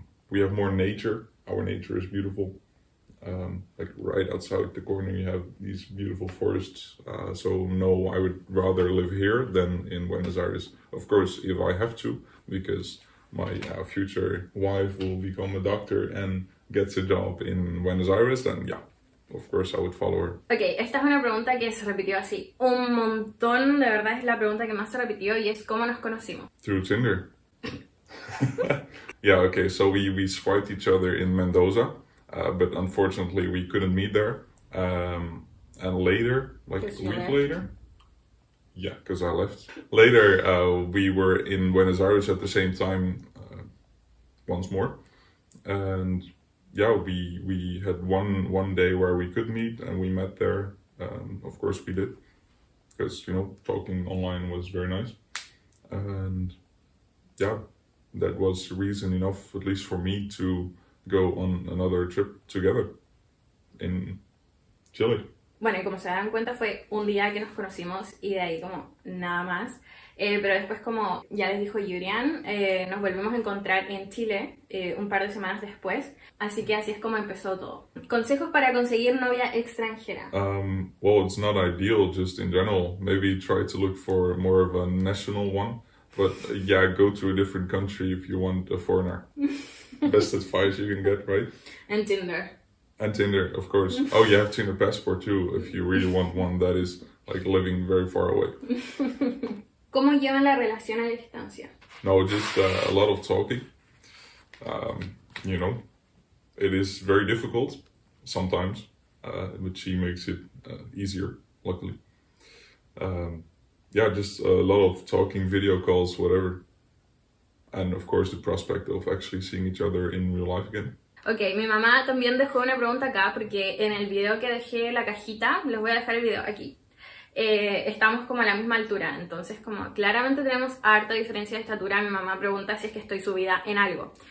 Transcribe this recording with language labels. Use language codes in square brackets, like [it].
[en] We have more nature, our nature is beautiful. Like right outside the corner you have these beautiful forests. So no, I would rather live here than in Buenos Aires. Of course, if I have to, because my future wife will become a doctor and gets a job in Buenos Aires, then yeah, of course I would follow her. [es] Okay, esta es una pregunta que se repitió así un montón, de verdad es la pregunta que más se repitió, y es ¿cómo nos conocimos? [en] Through Tinder. Yeah, okay, so we swiped each other in Mendoza, but unfortunately we couldn't meet there, and later, like a week later, yeah, because I left. Later, we were in Buenos Aires at the same time, once more. And yeah, we had one day where we could meet and we met there. Of course we did, because, you know, talking online was very nice. And yeah, that was reason enough, at least for me, to go on another trip together in Chile. [es] Bueno, y como se dan cuenta, fue un día que nos conocimos y de ahí como nada más. Pero después, como ya les dijo Yurian, nos volvimos a encontrar en Chile un par de semanas después. Así que así es como empezó todo. ¿Consejos para conseguir novia extranjera? [en] Well, it's not ideal, just in general. Maybe try to look for more of a national one. But yeah, go to a different country if you want a foreigner. Best advice you can get, right? And Tinder. And Tinder, of course. Oh, you have Tinder passport too, if you really want one that is like living very far away. [es] ¿Cómo llevan la relación a la distancia? [en] No, just a lot of talking. You know, it is very difficult sometimes, but she makes it easier, luckily. Yeah, just a lot of talking, video calls, whatever. And of course, the prospect of actually seeing each other in real life again. [es] Ok, mi mamá también dejó una pregunta acá, porque en el video que dejé la cajita, les voy a dejar el video aquí, estamos como a la misma altura, entonces como claramente tenemos harta diferencia de estatura, mi mamá pregunta si es que estoy subida en algo.